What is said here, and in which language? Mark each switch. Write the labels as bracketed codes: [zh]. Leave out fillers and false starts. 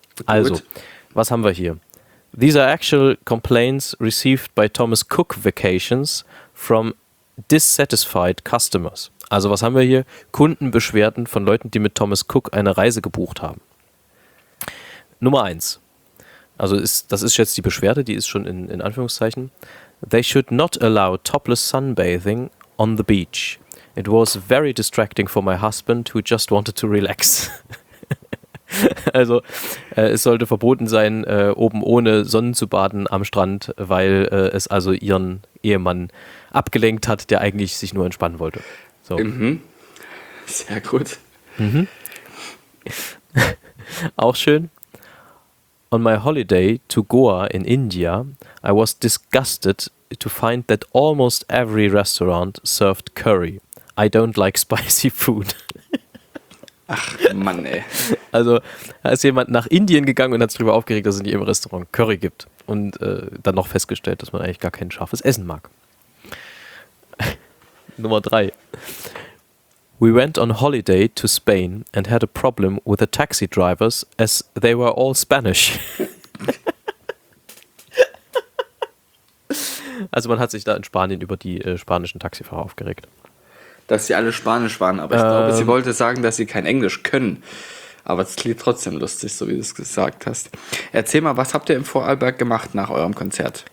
[de] Gut. Also, was haben wir hier? [en] These are actual complaints received by Thomas Cook Vacations from dissatisfied customers. [de] Also was haben wir hier? Kundenbeschwerden von Leuten, die mit Thomas Cook eine Reise gebucht haben. Nummer 1. Also das ist jetzt die Beschwerde, die ist schon in Anführungszeichen. [en] They should not allow topless sunbathing on the beach. It was very distracting for my husband who just wanted to relax. [de] Also, es sollte verboten sein, oben ohne Sonne zu baden am Strand, weil es also ihren Ehemann abgelenkt hat, der eigentlich sich nur entspannen wollte. So. Mhm. Sehr gut. Mhm. Auch schön. [en] On my holiday to Goa in India, I was disgusted to find that almost every restaurant served curry. I don't like spicy food. [de] Ach Mann, ey. Also, da ist jemand nach Indien gegangen und hat sich darüber aufgeregt, dass es nicht im Restaurant Curry gibt. Und dann noch festgestellt, dass man eigentlich gar kein scharfes Essen mag. Nummer 3. [en] We went on holiday to Spain and had a problem with the taxi drivers as they were all Spanish. [de] Also man hat sich da in Spanien über die spanischen Taxifahrer aufgeregt. Dass sie alle Spanisch waren, aber ich glaube, sie wollte sagen, dass sie kein Englisch können. Aber es klingt trotzdem lustig, so wie du es gesagt hast. Erzähl mal, was habt ihr im Vorarlberg gemacht nach eurem Konzert?